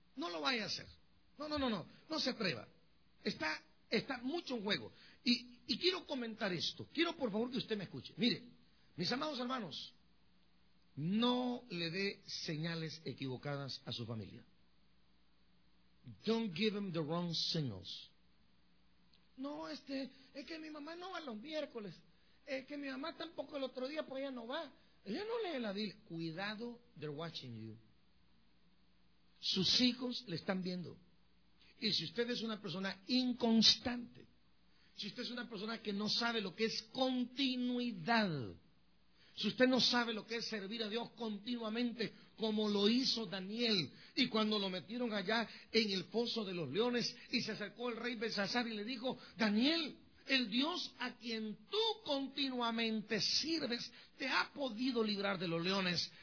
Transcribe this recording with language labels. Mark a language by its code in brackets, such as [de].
[es] No lo vaya a hacer. No. No se atreva. Está mucho en juego. Y quiero comentar esto. Quiero, por favor, que usted me escuche. Mire, mis amados hermanos, no le dé señales equivocadas a su familia. [en] Don't give them the wrong signals. [es] No, es que mi mamá no va los miércoles. Es que mi mamá tampoco el otro día, pues ella no va. Ella no lee la Biblia. Cuidado, [en] they're watching you. [es] Sus hijos le están viendo. Y si usted es una persona inconstante, si usted es una persona que no sabe lo que es continuidad, si usted no sabe lo que es servir a Dios continuamente, como lo hizo Daniel, y cuando lo metieron allá en el foso de los leones, y se acercó el rey Belsasar y le dijo, Daniel, el Dios a quien tú continuamente sirves, te ha podido librar de los leones.